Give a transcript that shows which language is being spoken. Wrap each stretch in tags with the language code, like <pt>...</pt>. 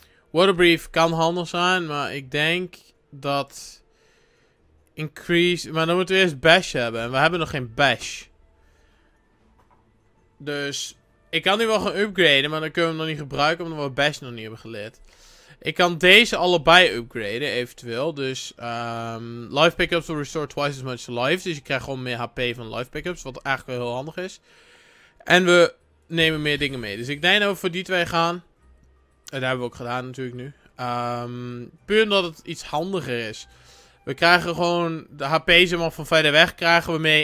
<nl>Waterbrief kan handig zijn, maar ik denk dat... Increase... Maar dan moeten we eerst bash hebben. En we hebben nog geen bash. Dus... Ik kan die wel gaan upgraden, maar dan kunnen we hem nog niet gebruiken omdat we bash nog niet hebben geleerd. Ik kan deze allebei upgraden, eventueel.</nl> <en>Dus, life pickups will restore twice as much life.</en> <nl>Dus je krijgt gewoon meer HP van life pickups, wat eigenlijk wel heel handig is. En we nemen meer dingen mee. Dus ik denk dat we voor die 2 gaan. En dat hebben we ook gedaan natuurlijk nu. Puur omdat het iets handiger is. We krijgen gewoon de HP zomaar van verder weg krijgen we mee.</nl>